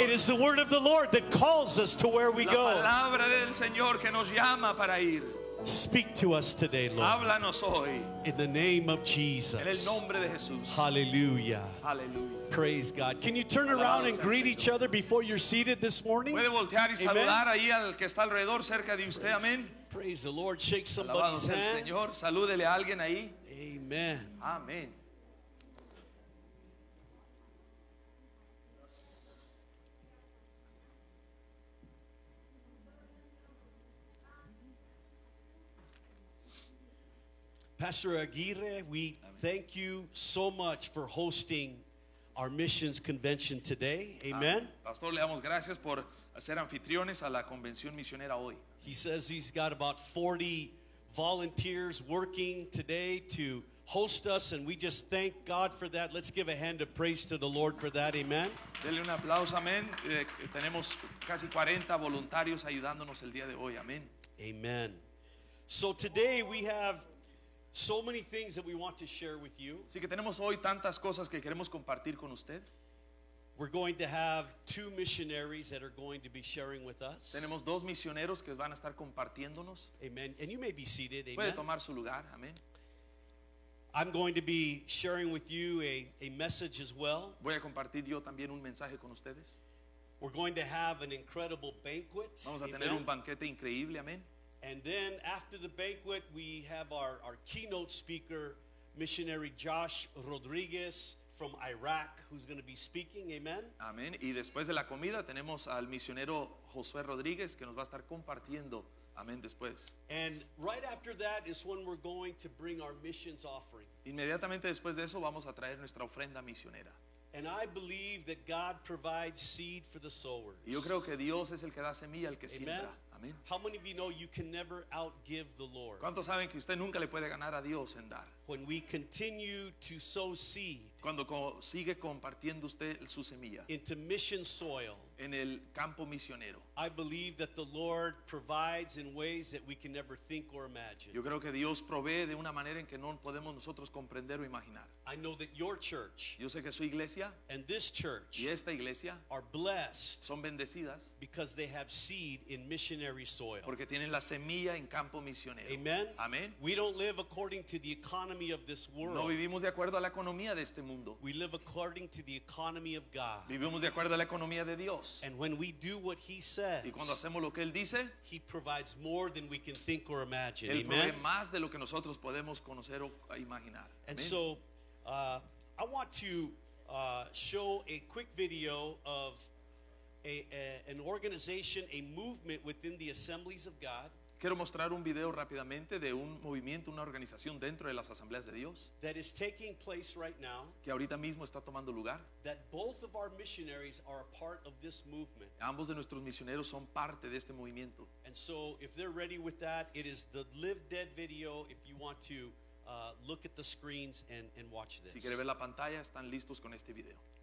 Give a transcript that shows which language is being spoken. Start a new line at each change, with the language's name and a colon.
English: It is the word of the Lord that calls us to where we go.
Spanish: La palabra del Señor que nos llama para ir.
English: Speak to us today, Lord.
Spanish: Háblanos hoy.
English: In the name of Jesus.
Spanish: En el nombre de Jesús.
English: Hallelujah. Hallelujah. Praise God. Can you turn around and greet each other before you're seated this morning?
Spanish: Puede voltear y saludar ahí al que está alrededor cerca de usted. Amén.
English: Praise the Lord. Shake somebody's hand.
Spanish: Alabado sea el Señor. Salúdele a alguien ahí.
English: Amen.
Spanish: Amén.
English: Pastor Aguirre, we thank you so much for hosting our missions convention today. Amen.
Spanish: Pastor, le damos gracias por hacer anfitriones a la convención misionera hoy.
English: He says he's got about 40 volunteers working today to host us, and we just thank God for that. Let's give a hand of praise to the Lord for that. Amen.
Spanish: Dele un aplauso, amén. Tenemos casi 40 voluntarios ayudándonos el día de hoy. Amén.
English: Amen. So today we have so many things that we want to share with you.
Spanish: Así que tenemos hoy tantas cosas que queremos compartir con usted.
English: We're going to have two missionaries that are going to be sharing with us.
Spanish: Tenemos dos misioneros que van a estar compartiéndonos.
English: Amen. And you may be seated. Amen.
Spanish: Puede tomar su lugar. Amen.
English: I'm going to be sharing with you a message as well.
Spanish: Voy a compartir yo también un mensaje con ustedes.
English: We're going to have an incredible banquet.
Spanish: Vamos a tener un banquete increíble. Amen.
English: And then after the banquet, we have our keynote speaker, missionary Josh Rodriguez from Iraq, who's going to be speaking. Amen. Amen.
Spanish: Y después de la comida, tenemos al misionero Josué Rodriguez, que nos va a estar compartiendo. Amen. Después.
English: And right after that is when we're going to bring our missions offering.
Spanish: Inmediatamente después de eso, vamos a traer nuestra ofrenda misionera.
English: And I believe that God provides seed for the sowers.
Spanish: Yo creo que Dios es el que da semilla al que siembra.
English: How many of you know you can never outgive the Lord?
Spanish: ¿Cuántos saben que usted nunca le puede ganar a Dios en dar?
English: When we continue to sow seed,
Spanish: cuando sigue compartiendo usted su semilla,
English: into mission soil,
Spanish: en el campo misionero,
English: I believe that the Lord provides in ways that we can never think or imagine.
Spanish: Yo creo que Dios provee de una manera en que no podemos nosotros comprender o imaginar.
English: I know that your church,
Spanish: yo sé que su iglesia,
English: and this church,
Spanish: y esta iglesia,
English: are blessed,
Spanish: son bendecidas,
English: because they have seed in missionary soil.
Spanish: Porque tienen la semilla en campo misionero.
English: Amen. Amen. We don't live according to the economy of this world.
Spanish: No vivimos de acuerdo a la economía de este mundo.
English: We live according to the economy of God.
Spanish: Vivimos de acuerdo a la economía de Dios.
English: And when we do what he says,
Spanish: y cuando hacemos lo que él dice,
English: he provides more than we can think or imagine.
Spanish: Él provee más de lo que nosotros podemos conocer o imaginar.
English: And so I want to show a quick video of an organization, a movement within the Assemblies of God.
Spanish: Quiero mostrar un video rápidamente de un movimiento, una organización dentro de las Asambleas de Dios
English: that is taking place right now,
Spanish: que ahorita mismo está tomando lugar.
English: That both of our missionaries are a part of this movement.
Spanish: Ambos de nuestros misioneros son parte de este movimiento.
English: And so if they're ready with that, it is the Live Dead video if you want to look at the screens and watch this.
Spanish: Si quiere ver la pantalla, están listos con este video.